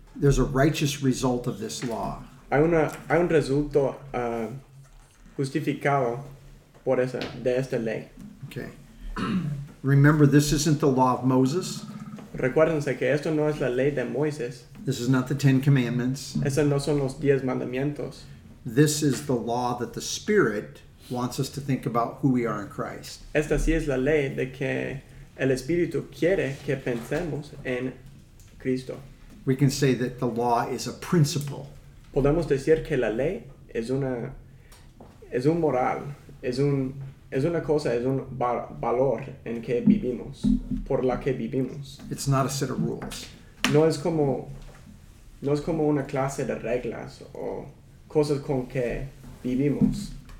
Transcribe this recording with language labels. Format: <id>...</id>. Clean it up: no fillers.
<en>There's a righteous result of this law.</en> <es>Hay un resultado justificado por esa, de esta ley.</es> <en>Okay. Remember, this isn't the law of Moses.</en> <es>Recuérdense que esto no es la ley de Moisés.</es> <en>This is not the Ten Commandments.</en> <es>Esos no son los diez mandamientos.</es> <en>This is the law that the Spirit wants us to think about who we are in Christ.</en> <es>Esta sí es la ley de que el Espíritu quiere que pensemos en Cristo.</es> <en>We can say that the law is a principle.</en> <es>Podemos decir que la ley es un moral, es una cosa, es un valor en que vivimos, por la que vivimos.</es> <en>It's not a set of rules.</en> <es>No es como una clase de reglas o cosas con que vivimos.</es>